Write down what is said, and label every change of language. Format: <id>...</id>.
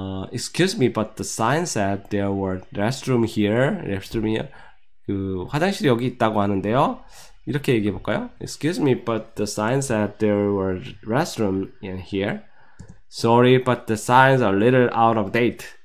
<en>Excuse me, but the sign said there were restroom here. Restroom here.</en> <ko>그 화장실이 여기 있다고 하는데요. 이렇게 얘기해 볼까요?</ko> <en>Excuse me, but the sign said there were restroom in here. Sorry, but the signs are a little out of date.</en>